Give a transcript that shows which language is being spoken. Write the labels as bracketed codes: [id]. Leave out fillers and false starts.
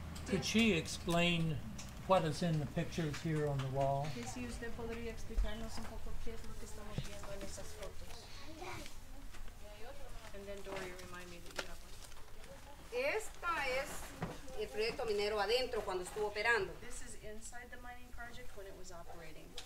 [en] Could she explain what is in the pictures here on the wall? And then Dory, remind me that you have one. [es] Esta es el proyecto minero adentro cuando estuvo operando. [en] This is inside the mining project when it was operating.